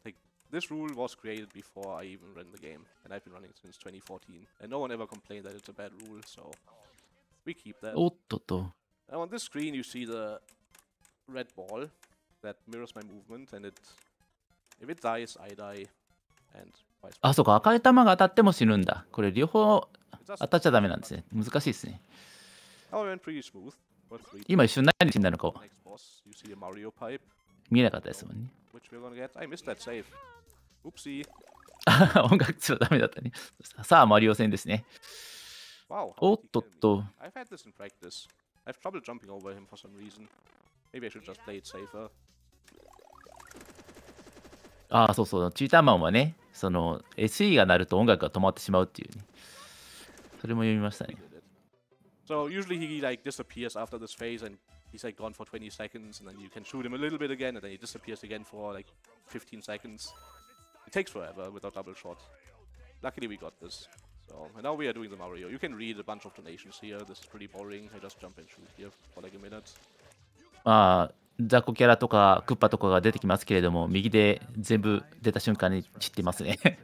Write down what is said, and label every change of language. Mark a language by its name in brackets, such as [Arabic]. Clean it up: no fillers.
[English] Like, this rule was created before I even ran the game, and I've been running it since 2014. And no one ever complained that it's a bad rule, so we keep that. [Japanese] おっとと。 [English] Now on this screen, you see the red ball that mirrors my movement, and it, if it dies, I die. And vice [Japanese] versa. あ、そうか。赤い玉が当たっても死ぬんだ。これ両方当たっちゃダメなんですね。難しいですね。 [English] Now it went pretty smooth. [Japanese] 今一瞬何死んだのか。 [English] Next boss, you see a Mario pipe. [Japanese] 見えなかったですもんね。 [English] Which we're gonna get? I missed that save. Oopsie. [Japanese] 音楽ちょっとダメだったね。さあ、マリオ戦ですね。 [English] Wow, [Japanese] おっとっと。 [English] I've had this in practice. I've trouble jumping over him for some reason. Maybe I should just play it safer. [Japanese] ああ、そうそう。チーターマンはね、その SE が鳴ると音楽が止まってしまうっていうね。それも読みましたね。 [English] So usually he like disappears after this phase and... He's like gone for 20 seconds, and then you can shoot him a little bit again, and then he disappears again for like 15 seconds. It takes forever without double shot. Luckily, we got this. So, and now we are doing the Mario. You can read a bunch of donations here. This is pretty boring. I just jump and shoot here for like a minute. [Japanese] Ah, ザコキャラとかクッパとかが出てきますけれども、右で全部出た瞬間に散ってますね。